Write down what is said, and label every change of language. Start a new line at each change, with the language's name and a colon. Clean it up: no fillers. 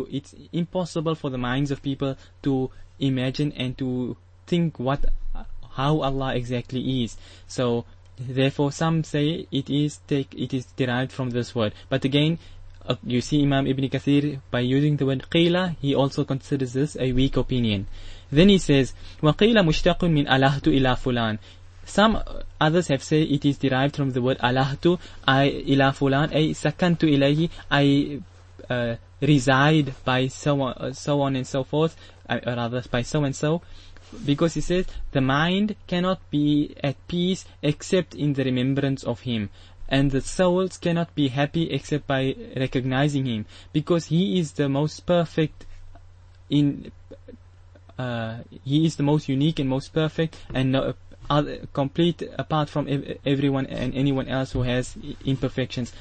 English: It's impossible for the minds of people to imagine and to think how Allah exactly is. So therefore some say it is derived from this word. But again, you see Imam Ibn Kathir, by using the word qila, he also considers this a weak opinion. Then he says
Arabic: وَقِيلَ مُشْتَقٌ مِنْ أَلَهْتُ إِلَى فُلَانٍ.
English: Some others have said it is derived from the word alahtu, I ila fulan, a sakantu ilayhi, I reside by so on and so forth, rather by so and so. Because he says the mind cannot be at peace except in the remembrance of him, and the souls cannot be happy except by recognizing him, because he is the most perfect he is the most unique and most perfect and complete apart from everyone and anyone else who has imperfections.